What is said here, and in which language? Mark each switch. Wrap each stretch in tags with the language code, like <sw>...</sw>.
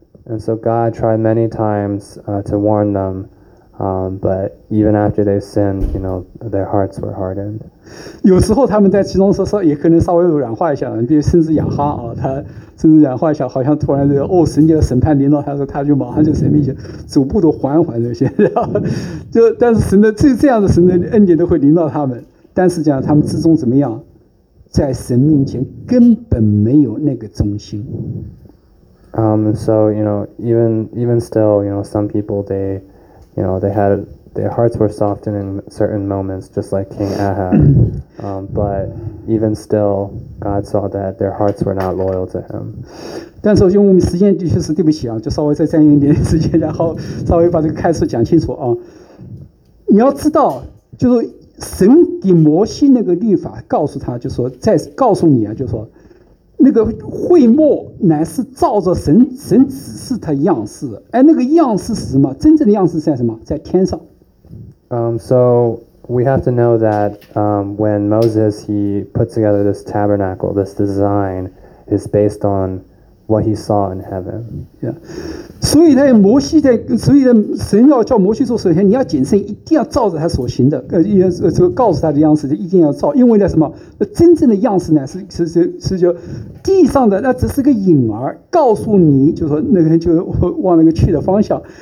<en>And so God tried many times to warn them, but even after they sinned, you know, their hearts were hardened.</en> <zh>有时候他们在其中说也可能稍微软化一下，比如甚至亚哈啊，他甚至软化一下，好像突然这个哦，神的审判临到他时，他就马上就神面前，逐步的缓缓这些，就但是神的这样的神的恩典都会临到他们，但是讲他们之中怎么样，在神面前根本没有那个忠心。</zh> <en>So, you know, even still, you know, some people, they, you know, they had, their hearts were softened in certain moments, just like King Ahab. But even still, God saw that their hearts were not loyal to him.</en> <zh>但是因为我们时间的确是对不起啊，就稍微再占用一点时间，然后稍微把这个开始讲清楚啊。你要知道，就是神给摩西那个律法告诉他，就说再告诉你啊，就说。那个会幕乃是照着神指示他的样式，哎，那个样式是什么？真正的样式在什么？在天上。</zh> <en>So we have to know that when Moses he put together this tabernacle, this design is based on what he saw in heaven. Yeah.</en> <zh>所以在摩西在，所以神要叫摩西做，首先你要谨慎，一定要照着他所行的，告诉他的样式，一定要照，因为呢什么？真正的样式呢是就地上的，那只是个影儿，告诉你就是说那个就往那个去的方向。</zh>